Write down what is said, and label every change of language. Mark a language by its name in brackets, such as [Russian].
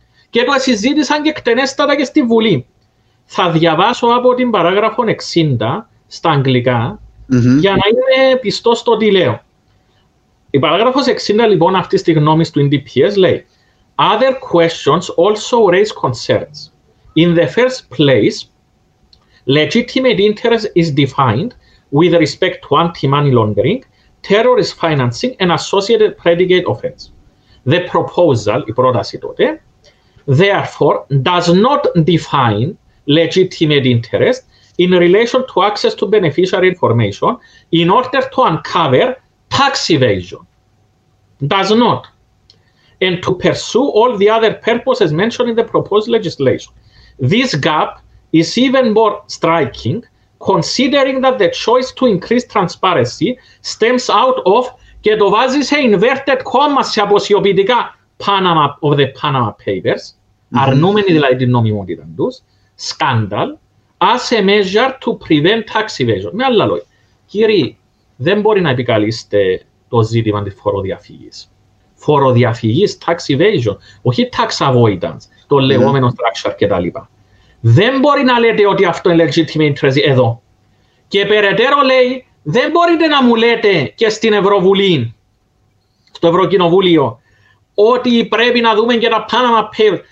[Greek] Και το συζήτησαν και εκτενέστατα και στη Βουλή. Θα διαβάσω από την παράγραφο 60 στα αγγλικά, για να είμαι πιστός στο τι λέω. Η παράγραφος 60 λοιπόν αυτή τη γνώμη του NDPS λέει [English] «Other questions also raise concerns. In the first place, legitimate interest is defined with respect to anti-money laundering, terrorist financing and associated predicate offense. The proposal, [Greek] η πρόταση τότε, [English] therefore, does not define legitimate interest in relation to access to beneficiary information in order to uncover tax evasion. Does not. And to pursue all the other purposes mentioned in the proposed legislation. This gap is even more striking, considering that the choice to increase transparency stems out of, [Greek] και το βάζει σε inverted commas σε αποσιοποιητικά, [English] Panama, of the Panama Papers, [Greek] αρνούμενοι δηλαδή την νομιμότητα τους, [English] scandal, as a measure to prevent tax evasion. [Greek] Με άλλα λόγια, κύριοι, δεν μπορεί να επικαλείστε το ζήτημα της φοροδιαφυγής. Φοροδιαφυγής, tax evasion, όχι tax avoidance, το λεγόμενο structure κτλ. Δεν μπορεί να λέτε ότι αυτό είναι legitimate interest εδώ. Και περαιτέρω λέει, δεν μπορείτε να μου λέτε και στην Ευρωβουλή, στο Ευρωκοινοβούλιο, ότι πρέπει να δούμε και τα Panama Papers.